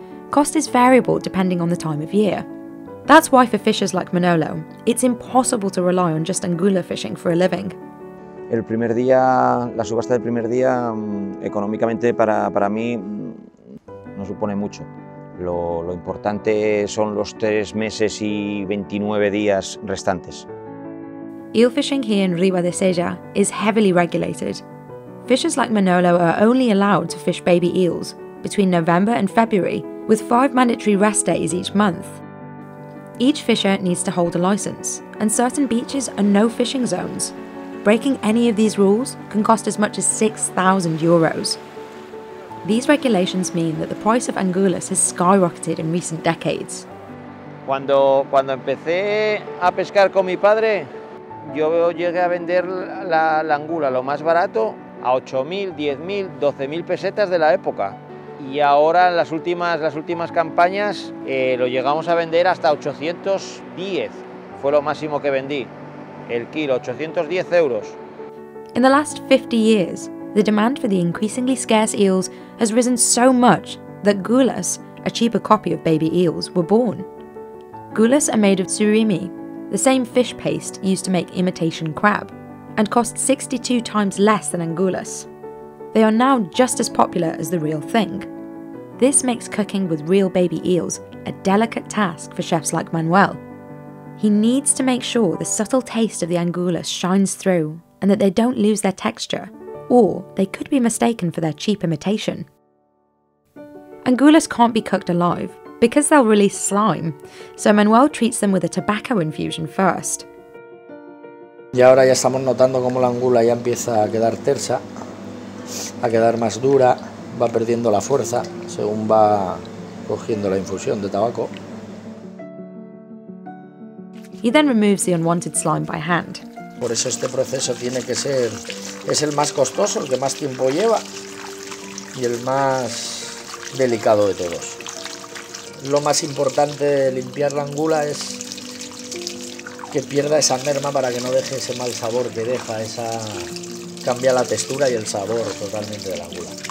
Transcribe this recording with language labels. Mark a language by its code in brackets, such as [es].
[en] Cost is variable depending on the time of year. That's why for fishers like Manolo, it's impossible to rely on just angula fishing for a living. [es] El primer día, la subasta del primer día, económicamente para mí no supone mucho. Lo importante son los 3 meses y 29 días restantes. [en] Eel fishing here in Riva de Seja is heavily regulated. Fishers like Manolo are only allowed to fish baby eels between November and February, with 5 mandatory rest days each month. Each fisher needs to hold a license, and certain beaches are no fishing zones. Breaking any of these rules can cost as much as 6,000 euros. These regulations mean that the price of angulas has skyrocketed in recent decades. [es] Cuando empecé a pescar con mi padre, yo llegué a vender la angula, lo más barato, a 8.000, 10.000, 12.000 pesetas de la época. Y ahora, en las últimas campañas, lo llegamos a vender hasta 810. Fue lo máximo que vendí, el kilo, 810 euros. [en] In the last 50 years, the demand for the increasingly scarce eels has risen so much that gulas, a cheaper copy of baby eels, were born. Gulas are made of surimi, the same fish paste used to make imitation crab, and cost 62 times less than angulas. They are now just as popular as the real thing. This makes cooking with real baby eels a delicate task for chefs like Manuel. He needs to make sure the subtle taste of the angulas shines through and that they don't lose their texture, or they could be mistaken for their cheap imitation. Angulas can't be cooked alive, because they'll release slime, so Manuel treats them with a tobacco infusion first. [es] Y ahora ya estamos notando cómo la angula ya empieza a quedar tersa, a quedar más dura, va perdiendo la fuerza según va cogiendo la infusión de tabaco. [en] He then removes the unwanted slime by hand. [es] Por eso este proceso tiene que ser, es el más costoso, el que más tiempo lleva y el más delicado de todos. Lo más importante de limpiar la angula es que pierda esa merma para que no deje ese mal sabor que deja, esa cambia la textura y el sabor totalmente de la angula.